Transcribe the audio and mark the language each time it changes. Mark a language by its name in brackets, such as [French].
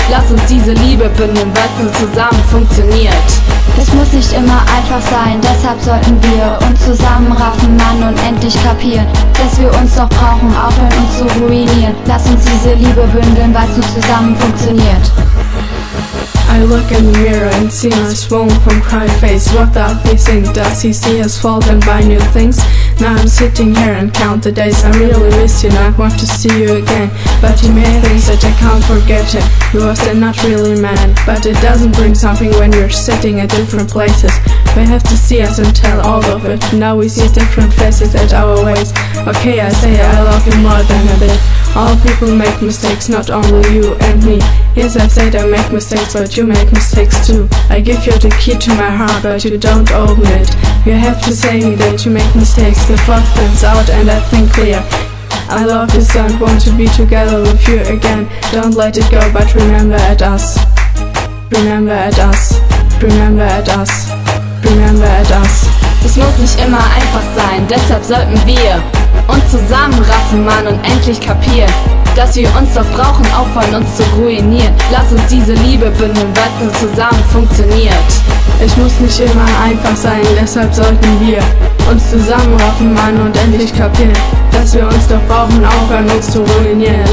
[German] Lass uns diese Liebe binden, weil es zusammen funktioniert. Es muss nicht immer einfach sein, deshalb sollten wir uns zusammenraffen, Mann, und endlich kapieren, dass wir uns doch brauchen, auch von uns zu ruinieren. Lass uns diese Liebe bündeln, weil es nur zusammen funktioniert. [English] I look in the mirror and see my swollen from crying face. What the hell he think? Does he see us fall and buy new things? Now I'm sitting here and count the days. I really miss you and I want to see you again. But you made things that I can't forget it. You was then not really mad. But it doesn't bring something when you're sitting at different places. We have to see us and tell all of it. Now we see different faces at our ways. Okay, I say I love you more than a bit. All people make mistakes, not only you and me. Yes, I said I make mistakes, but you make mistakes too. I give you the key to my heart, but you don't open it. You have to say me that you make mistakes. The fog thins out and I think clear. I love you so I want to be together with you again. Don't let it go, but remember at us. Remember at us. Remember at us. Remember at us. [German] Es muss nicht immer einfach sein, deshalb sollten wir uns zusammenraffen, Mann, und endlich kapieren, dass wir uns doch brauchen, auch von uns zu ruinieren. Lass uns diese Liebe binden, weil es nur zusammen funktioniert. Es muss nicht immer einfach sein, deshalb sollten wir uns zusammenraffen, Mann, und endlich kapieren, dass wir uns doch brauchen, auch von uns zu ruinieren.